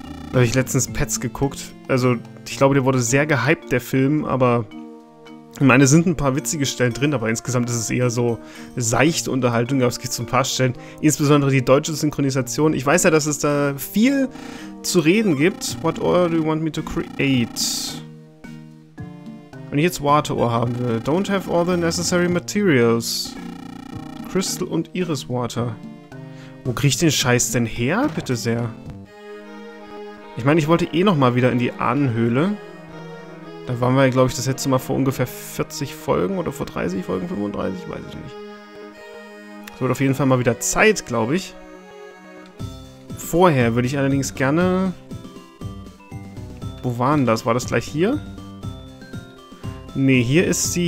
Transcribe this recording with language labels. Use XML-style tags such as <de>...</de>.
<de>Da habe ich letztens Pets geguckt. Also, ich glaube, der wurde sehr gehypt, der Film, aber... Ich meine, es sind ein paar witzige Stellen drin, aber insgesamt ist es eher so seichte Unterhaltung. Aber es gibt so ein paar Stellen, insbesondere die deutsche Synchronisation. Ich weiß ja, dass es da viel zu reden gibt.</de> <en>What order do you want me to create?</en> <de>Wenn ich jetzt Warteohr haben will.</de> <en>Don't have all the necessary materials.</en> <de>Crystal und Iris Water. Wo kriege ich den Scheiß denn her, bitte sehr? Ich meine, ich wollte eh nochmal wieder in die Ahnenhöhle. Da waren wir, glaube ich, das letzte Mal vor ungefähr 40 Folgen oder vor 30 Folgen, 35, weiß ich nicht. Es wird auf jeden Fall mal wieder Zeit, glaube ich. Vorher würde ich allerdings gerne... Wo war denn das? War das gleich hier? Nee, hier ist sie.</de>